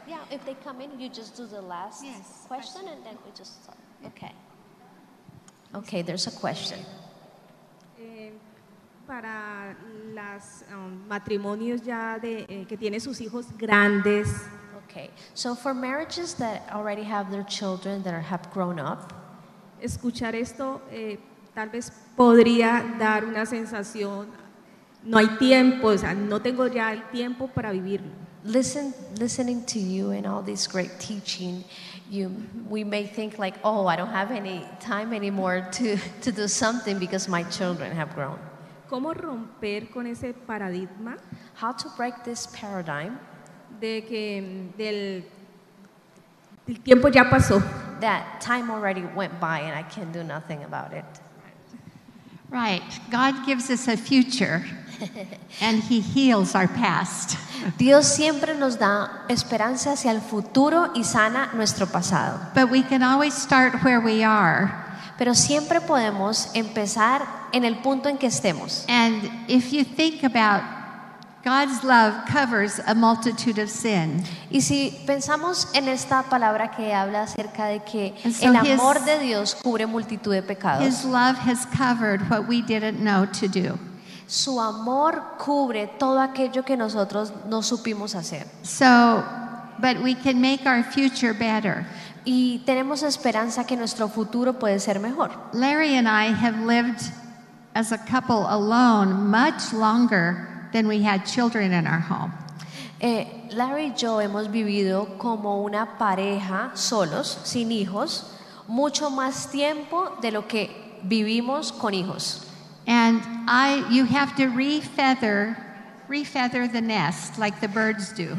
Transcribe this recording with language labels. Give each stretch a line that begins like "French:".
English: If they come in, you just do the last question, and then we just start. Okay. Okay. There's a question.
Spanish: Para las matrimonios ya de que tiene sus hijos grandes.
English: Okay. So for marriages that already have their children that have grown up.
Spanish: Escuchar esto tal vez podría dar una sensación. No hay tiempo, o sea, no tengo ya el tiempo para vivirlo.
English: Listening to you and all this great teaching, we may think like, oh, I don't have any time anymore to do something because my children have grown.
Spanish: ¿Cómo romper con ese paradigma?
English: How to break this paradigm?
Spanish: De que el tiempo ya pasó.
English: That time already went by and I can do nothing about it. Right. God gives us a future and he heals our past.
Spanish: Dios siempre nos da esperanza hacia el futuro y sana nuestro pasado.
English: But we can always start where we are.
Spanish: Pero siempre podemos empezar en el punto en que estemos.
English: And if you think about God's love covers a multitude of sin.
Spanish: Y si pensamos en esta palabra que habla acerca de que el amor de Dios cubre multitud de pecados.
English: His love has covered what we didn't know to do.
Spanish: Su amor cubre todo aquello que nosotros no supimos hacer.
English: So, but we can make our future better.
Spanish: Y tenemos esperanza que nuestro futuro puede ser mejor.
English: Larry and I have lived as a couple alone much longer than we had children in our home.
Spanish: Larry y yo hemos vivido como una pareja solos, sin hijos, mucho más tiempo de lo que vivimos con hijos.
English: And you have to refeather the nest like the birds do.